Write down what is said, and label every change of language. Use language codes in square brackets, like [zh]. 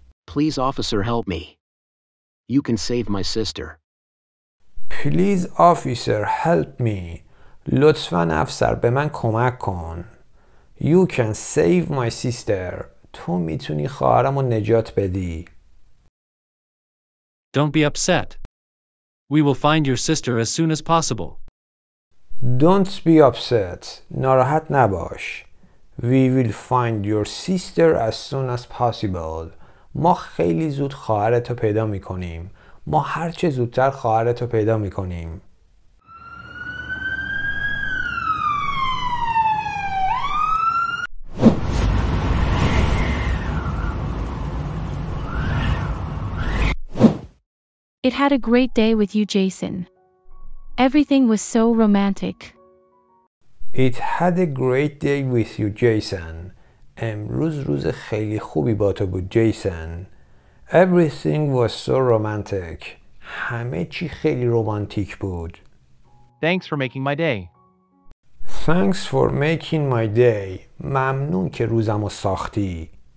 [en] Please, officer, help me. You can save my sister. Please, officer, help me. [fa] لطفاً افسر به من کمک کن. [en] You can save my sister. [fa] تو میتونی خواهرمو نجات بدی. [en] Don't be upset. We will find your sister as soon as possible. Don't be upset. [fa] ناراحت نباش. [en] We will find your sister as soon as possible. [fa] ما خیلی زود خواهرتو پیدا میکنیم. ما هرچه زودتر خواهرتو پیدا میکنیم. [en] It had a great day with you, Jason. Everything was so romantic. It had a great day with you, Jason. [fa] امروز روز خیلی خوبی با تو بود, Jason. [en] Everything was so romantic. [fa] همه چی خیلی رومانتیک بود. [en] Thanks for making my day. Thanks for making my day. [fa] ممنون که روزمو ساختی.